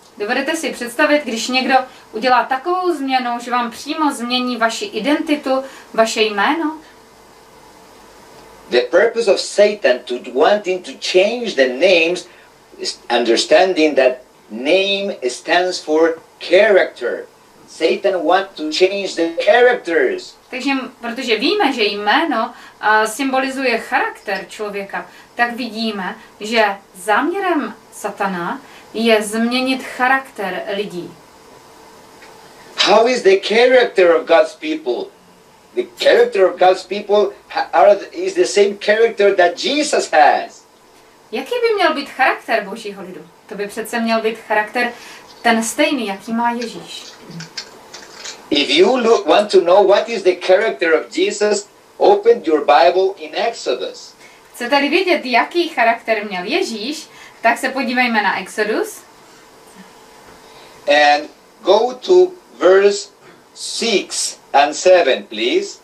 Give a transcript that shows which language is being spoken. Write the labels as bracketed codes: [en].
[cs] Dovedete si představit, když někdo udělá takovou změnu, že vám přímo změní vaši identitu, vaše jméno? [en] The purpose of Satan to wanting to change the names is understanding that name stands for character. Satan wants to change the characters. [cs] Takže protože víme, že jméno symbolizuje charakter člověka, tak vidíme, že záměrem Satana je změnit charakter lidí. [en] How is the character of God's people? The character of God's people is the same character that Jesus has. [cs] Jaký by měl být charakter Božího lidu? To by přece měl být charakter ten stejný, jaký má Ježíš. [en] If you want to know what is the character of Jesus, open your Bible in Exodus. [cs] Chcete-li vidět, jaký charakter měl Ježíš, tak se podívejme na Exodus. [en] And go to verse 6 and 7, please.